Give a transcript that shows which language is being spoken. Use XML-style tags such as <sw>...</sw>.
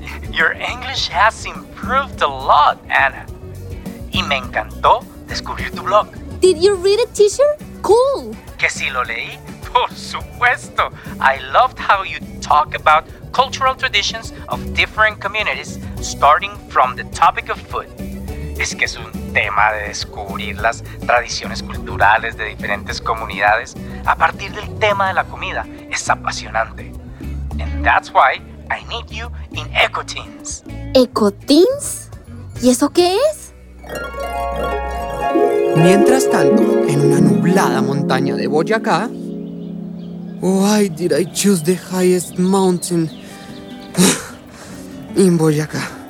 <en>Your English has improved a lot, Ana.</en> <es>Y me encantó descubrir tu blog.</es> <en>Did you read it, teacher? Cool.</en> <es>¿Que si lo leí? Por supuesto.</es> <en>I loved how you talk about cultural traditions of different communities, starting from the topic of food.</en> <es>Es que es un tema de descubrir las tradiciones culturales de diferentes comunidades a partir del tema de la comida. Es apasionante.</es> <en>And that's why I need you in EcoTeens.</en> <es>¿EcoTeens? ¿Y eso qué es? Mientras tanto, en una nublada montaña de Boyacá...</es> <en>Why did I choose the highest mountain in Boyacá?</en>